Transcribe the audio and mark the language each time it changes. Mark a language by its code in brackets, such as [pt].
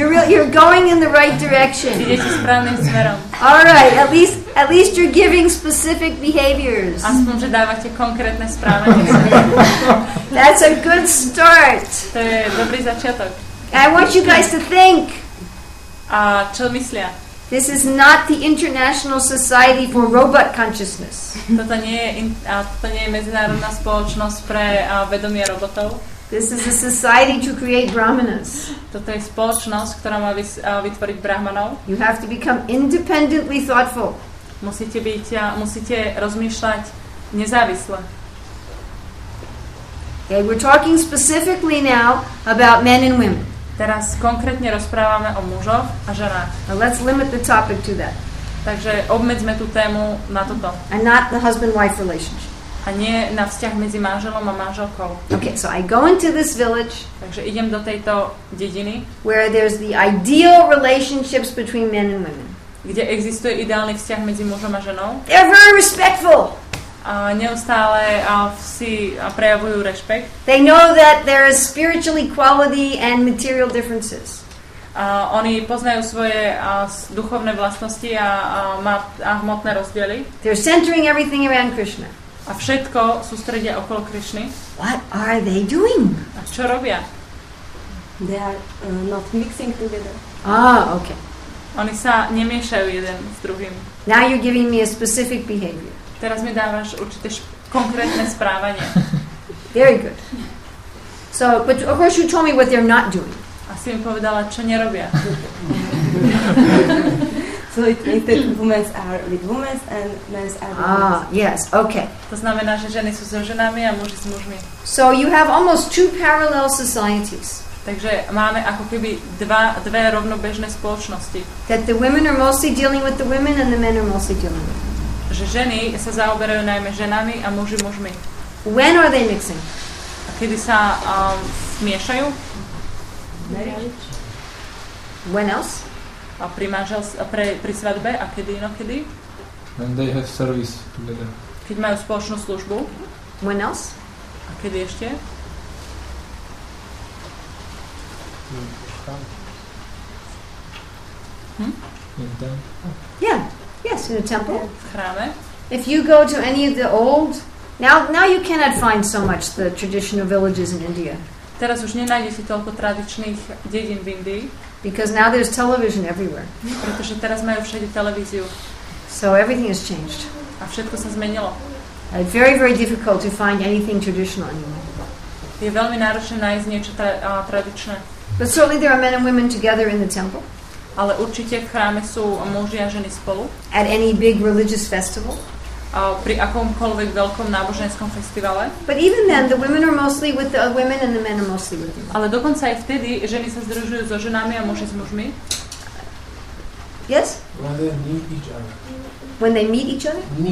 [en] You're going in the right direction. Alright, at least you're giving specific behaviors. [sk] Aspoň, že dávate konkrétne správne. [en] That's a good start. [sk] To je dobrý začiatok. [en] I want you guys to think. [sk] A čo myslia? [en] This is not the International Society for Robot Consciousness. [sk] Toto nie je medzinárodná spoločnosť pre vedomie robotov. [en] This is a society to create brahmanas. [sk] Toto je spoločnosť, ktorá má vytvoriť brahmanov. [en] You have to become independently thoughtful. [sk] Musíte rozmýšľať nezávisle. [en] Okay, we're talking specifically now about men and women. [sk] Teraz konkrétne rozprávame o mužoch a ženách. [en] Now let's limit the topic to that. [sk] Takže obmedzme tú tému na toto. [en] And not the husband-wife relationship. [sk] A nie na vzťah medzi manželom a manželkou. [en] Okay, so I go into this village. [sk] Takže idem do tejto dediny. [en] Where there's the ideal relationships between men and women. [sk] Kde existuje ideálny vzťah medzi mužom a ženou. [en] They're very respectful. [sk] A neustále si prejavujú rešpekt. [en] They know that there is spiritual equality and material differences. [sk] Oni poznajú svoje duchovné vlastnosti a hmotné rozdiely. [en] They're centering everything around Krishna. [sk] A všetko sústredia okolo Krishny. [en] What are they doing? [sk] A čo robia? [en] They are not mixing together. Ah, okay. [sk] Oni sa nemiešajú jeden s druhým. [en] Now you're giving me a specific behavior. [sk] Teraz mi dávaš určite konkrétne správanie. [en] Very good. So, but of course you told me what they're not doing. [sk] A si mi povedala, čo nerobia. [en] So it means that women are with women and men are with women. Ah, yes, okay. [sk] To znamená, že ženy sú so ženami a muži s mužmi. [en] So you have almost two parallel societies. [sk] Takže máme ako keby dve rovnobežné spoločnosti. [en] That the women are mostly dealing with the women and the men are mostly dealing with them. [sk] Že ženy sa zaoberajú najmä ženami a muži mužmi. [en] When are they mixing? [sk] A kedy sa miešajú? [en] Marriage. When else? [sk] A pri svadbe a kedy inokedy? [en] When they have service together. [sk] Keď majú spoločnú službu. [en] When else? [sk] A kedy ešte? [en] In time. Yeah. Yes, in a temple. [sk] V chráme. [en] If you go to any of the old, now you cannot find so much the traditional villages in India. [sk] Teraz už nenájdeš si toľko tradičných dedín v Indii. [en] Because now there's television everywhere. [sk] Pretože teraz majú všade televíziu. [en] So everything has changed. [sk] A všetko sa zmenilo. [en] It's very, very difficult to find anything traditional anymore. [sk] Je veľmi náročné nájsť niečo tradičné. [en] But certainly there are men and women together in the temple. [sk] Ale určite v chráme sú muži a ženy spolu. [en] At any big religious festival. [sk] Pri akomkoľvek veľkom náboženskom festivale. [en] But even then, the women are mostly with the women and the men are mostly with them. [sk] Ale dokonca aj vtedy ženy sa združujú so ženami a muži s mužmi. [en] Yes? When they meet each other. When they meet each other?